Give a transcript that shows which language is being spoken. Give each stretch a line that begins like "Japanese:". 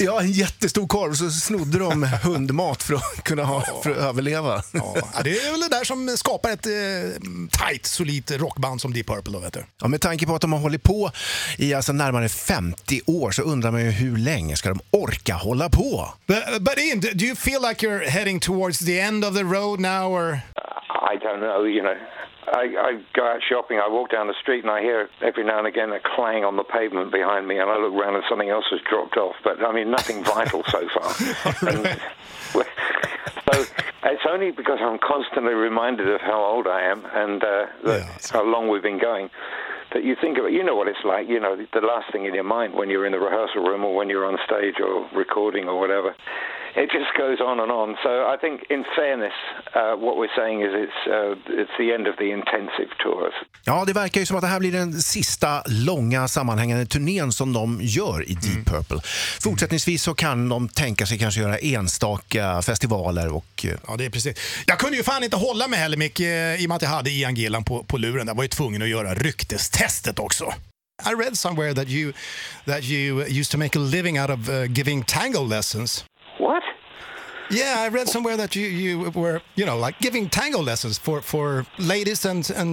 Swedish: Ja, en jättestor korv, så snodde de hundmat för att kunna ha, för att överleva. Ja, det är väl det där som skapar ett tight solid rockband som Deep Purple, vet du. Ja, med tanke på att de har hållit på i alltså närmare 50 år så undrar man ju hur länge ska de orka hålla på?
English: But Ian, do you feel like you're heading towards the end of the road now, or? I don't know, you know. I go out shopping, I walk down the street and I hear every now and again a clang on the pavement behind me and I look around and something else has dropped off. But, I mean, nothing vital so far. So it's only because I'm constantly reminded of how old I am and how long we've been going. That you think of it, you know what it's like, you know, the last thing in your mind when you're in the rehearsal room or when you're on stage or recording or whatever. It just goes on and on. So I think, in fairness, what we're saying is it's the end of the intensive tours.
Swedish: Ja, det verkar ju som att det här blir den sista långa sammanhängande turnén som de gör i Deep Purple. Fortsättningsvis så kan de tänka sig kanske göra enstaka festivaler och... Ja, det är precis. Jag kunde ju fan inte hålla mig heller, Mick, i och med att jag hade Ian Gillan på luren. Jag var ju tvungen att göra ryktestestet också.
English: I read somewhere that you used to make a living out of giving tango lessons. What? Yeah, I read somewhere that you were, you know, like giving tango lessons for ladies and...